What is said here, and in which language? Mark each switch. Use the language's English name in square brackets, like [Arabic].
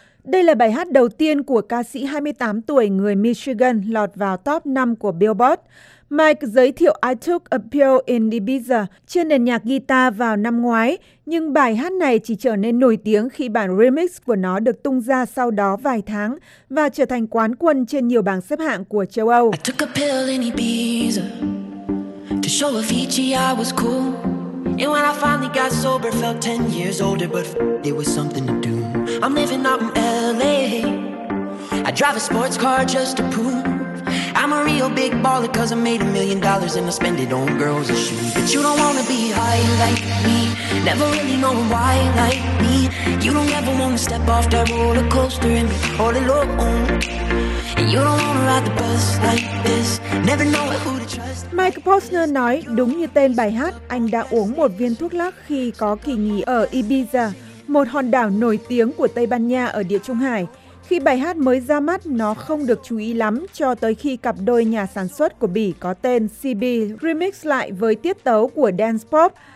[Vietnamese] Đây là bài hát đầu tiên của ca sĩ 28 tuổi người Michigan lọt vào top 5 của Billboard. Mike giới thiệu I Took a Pill in Ibiza trên nền nhạc guitar vào năm ngoái, nhưng bài hát này chỉ trở nên nổi tiếng khi bản remix của nó được tung ra sau đó vài tháng và trở thành quán quân trên nhiều bảng xếp hạng của châu Âu. [English] I took a pill in Ibiza to show Avicii I was cool. And when I finally got sober, felt 10 years older, but it was something to do. I'm living out in LA. I drive a sports car just to prove I'm a real big baller cause I made $1 million and I spend it on girls and shoes. But you don't wanna be high like me, never really know why like me. You don't ever wanna step off that roller coaster and be all alone. And you don't wanna ride the bus like this, never know who to trust. [Vietnamese] Mike Posner nói đúng như tên bài hát, anh đã uống một viên thuốc lắc khi có kỳ nghỉ ở Ibiza, một hòn đảo nổi tiếng của Tây Ban Nha ở Địa Trung Hải. Khi bài hát mới ra mắt, nó không được chú ý lắm cho tới khi cặp đôi nhà sản xuất của Bỉ có tên CB remix lại với tiết tấu của dance pop.